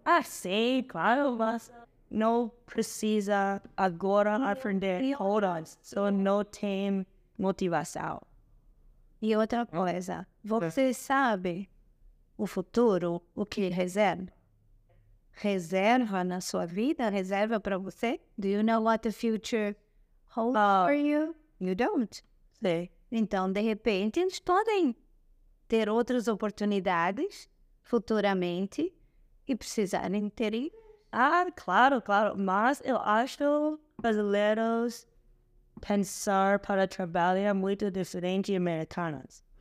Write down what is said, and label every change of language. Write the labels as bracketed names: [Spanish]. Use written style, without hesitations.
[Portuguese] Ah, sim, claro, mas não precisa agora aprender todas. Só não tem motivação. E outra coisa, você sabe o futuro, o que reserva? Reserva na sua vida, reserva para você? [English] Do you know what the future holds for you? You don't. [Portuguese] Sim. Então, de repente, eles podem ter outras oportunidades futuramente e precisarem ter. Ah, claro, claro. Mas eu acho brasileiros pensar para trabalhar muito diferente de americanos.